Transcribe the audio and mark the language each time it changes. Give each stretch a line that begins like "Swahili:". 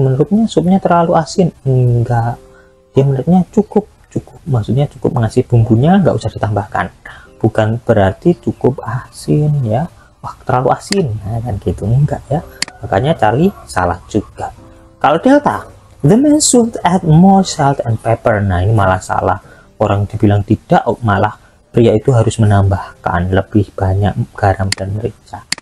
Indonesian: Menurutnya supnya terlalu asin. Enggak. Dia menurutnya cukup. Cukup. Maksudnya cukup mengasih bumbunya. Enggak usah ditambahkan. Bukan berarti cukup asin ya. Wah, terlalu asin. Nah, kan gitu. Enggak ya. Makanya Charlie salah juga. Kalau delta.
English: The man should add more salt and pepper.
Indonesian: Nah, ini malah salah. Orang dibilang tidak. Oh, malah pria itu harus menambahkan lebih banyak garam dan merica.